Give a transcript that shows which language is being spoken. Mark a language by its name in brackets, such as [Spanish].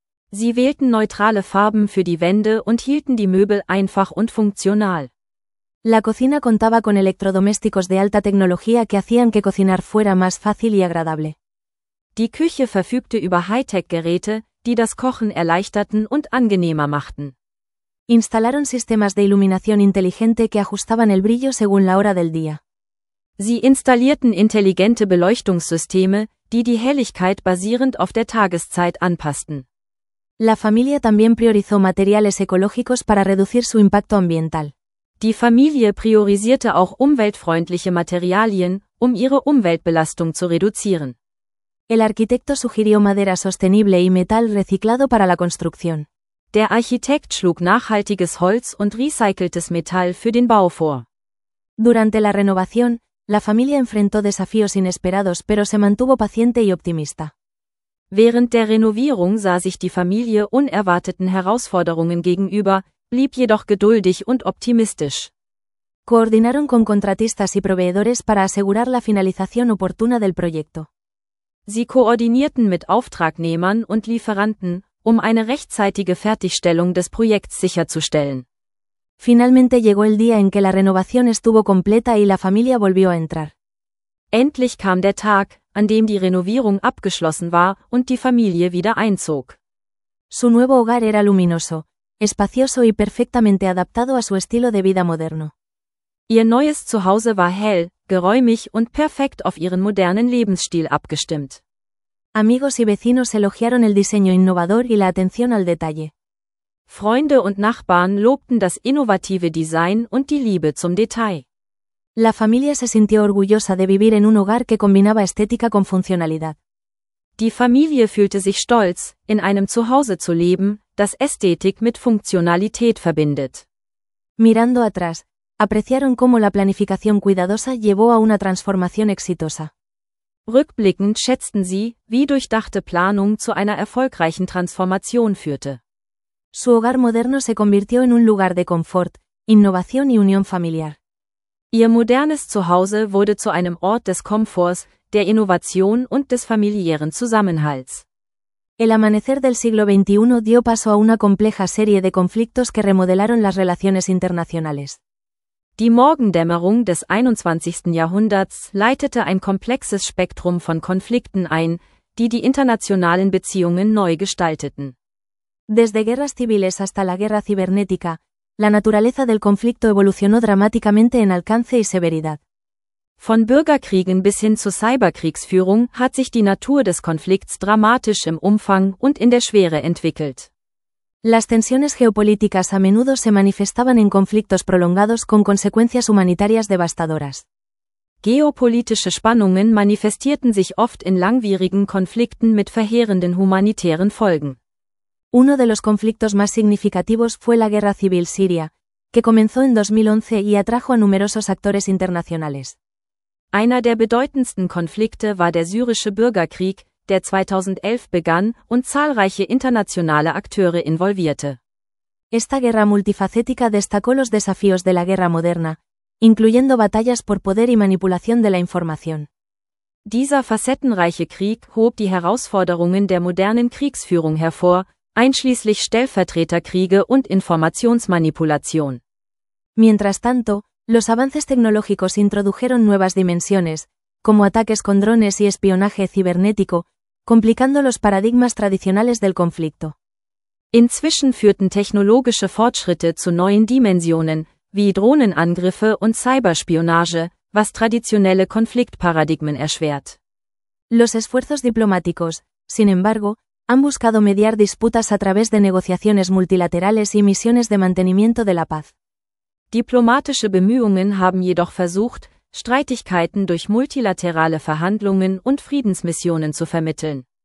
[German] Sie wählten neutrale Farben für die Wände und hielten die Möbel einfach und funktional. [Spanish] La cocina contaba con electrodomésticos de alta tecnología que hacían que cocinar fuera más fácil y agradable. [German] Die Küche verfügte über Hightech-Geräte, die das Kochen erleichterten und angenehmer machten. [Spanish] Instalaron sistemas de iluminación inteligente que ajustaban el brillo según la hora del día. [German] Sie installierten intelligente Beleuchtungssysteme, die die Helligkeit basierend auf der Tageszeit anpassten. [Spanish] La familia también priorizó materiales ecológicos para reducir su impacto ambiental. [German] Die Familie priorisierte auch umweltfreundliche Materialien, um ihre Umweltbelastung zu reduzieren. [Spanish] El arquitecto sugirió madera sostenible y metal reciclado para la construcción. [German] Der Architekt schlug nachhaltiges Holz und recyceltes Metall für den Bau vor. [Spanish] Durante la renovación, la familia enfrentó desafíos inesperados, pero se mantuvo paciente y optimista. [German] Während der Renovierung sah sich die Familie unerwarteten Herausforderungen gegenüber, blieb jedoch geduldig und optimistisch. [Spanish] Coordinaron con contratistas y proveedores para asegurar la finalización oportuna del proyecto. [German] Sie koordinierten mit Auftragnehmern und Lieferanten, um eine rechtzeitige Fertigstellung des Projekts sicherzustellen. [Spanish] Finalmente llegó el día en que la renovación estuvo completa y la familia volvió a entrar. [German] Endlich kam der Tag, an dem die Renovierung abgeschlossen war und die Familie wieder einzog. [Spanish] Su nuevo hogar era luminoso, espacioso y perfectamente adaptado a su estilo de vida moderno. [German] Ihr neues Zuhause war hell, geräumig und perfekt auf ihren modernen Lebensstil abgestimmt. [Spanish] Amigos y vecinos elogiaron el diseño innovador y la atención al detalle. [German] Freunde und Nachbarn lobten das innovative Design und die Liebe zum Detail. [Spanish] La familia se sintió orgullosa de vivir en un hogar que combinaba estética con funcionalidad. [German] Die Familie fühlte sich stolz, in einem Zuhause zu leben, das Ästhetik mit Funktionalität verbindet. [Spanish] Mirando atrás, apreciaron cómo la planificación cuidadosa llevó a una transformación exitosa. [German] Rückblickend schätzten sie, wie durchdachte Planung zu einer erfolgreichen Transformation führte. [Spanish] Su hogar moderno se convirtió en un lugar de confort, innovación y unión familiar. [German] Ihr modernes Zuhause wurde zu einem Ort des Komforts, der Innovation und des familiären Zusammenhalts. [Spanish] El amanecer del siglo XXI dio paso a una compleja serie de conflictos que remodelaron las relaciones internacionales. [German] Die Morgendämmerung des 21. Jahrhunderts leitete ein komplexes Spektrum von Konflikten ein, die die internationalen Beziehungen neu gestalteten. [Spanish] Desde guerras civiles hasta la guerra cibernética, la naturaleza del conflicto evolucionó dramáticamente en alcance y severidad. [German] Von Bürgerkriegen bis hin zu Cyberkriegsführung hat sich die Natur des Konflikts dramatisch im Umfang und in der Schwere entwickelt. [Spanish] Las tensiones geopolíticas a menudo se manifestaban en conflictos prolongados con consecuencias humanitarias devastadoras. [German] Geopolitische Spannungen manifestierten sich oft in langwierigen Konflikten mit verheerenden humanitären Folgen. [Spanish] Uno de los conflictos más significativos fue la Guerra Civil Siria, que comenzó en 2011 y atrajo a numerosos actores internacionales. [German] Einer der bedeutendsten Konflikte war der syrische Bürgerkrieg, der 2011 begann und zahlreiche internationale Akteure involvierte. [Spanish] Esta guerra multifacética destacó los desafíos de la guerra moderna, incluyendo batallas por poder y manipulación de la información. [German] Dieser facettenreiche Krieg hob die Herausforderungen der modernen Kriegsführung hervor, einschließlich Stellvertreterkriege und Informationsmanipulation. [Spanish] Mientras tanto, los avances tecnológicos introdujeron nuevas dimensiones, como ataques con drones y espionaje cibernético, complicando los paradigmas tradicionales del conflicto. [German] Inzwischen führten technologische Fortschritte zu neuen Dimensionen, wie Drohnenangriffe und Cyberspionage, was traditionelle Konfliktparadigmen erschwert. [Spanish] Los esfuerzos diplomáticos, sin embargo, han buscado mediar disputas a través de negociaciones multilaterales y misiones de mantenimiento de la paz. [German] Diplomatische Bemühungen haben jedoch versucht, Streitigkeiten durch multilaterale Verhandlungen und Friedensmissionen zu vermitteln.